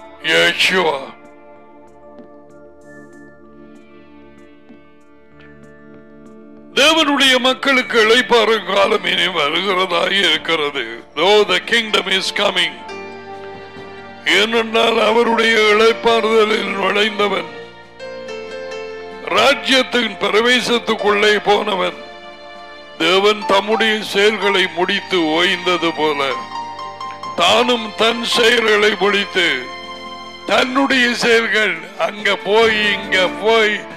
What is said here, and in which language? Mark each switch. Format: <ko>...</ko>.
<ta>யேசுவா தேவனுடைய மக்களுக்கு இளைப்பாறும் காலம் இனி வருகிறதாய் இருக்கிறது.</ta> <en>Though the kingdom is coming.</en> <ta>ஏனென்றால் அவருடைய இளைப்பாறுதலில் நுழைந்தவன், ராஜ்யத்தின் பிரவேசத்துக்குள்ளே போனவன், தேவன் தம்முடைய செயல்களை முடித்து ஓய்ந்தது போல தானும் தன் செயல்களை முடித்து தன்னுடைய செயல்கள் அங்க போய் இங்க போய்</ta>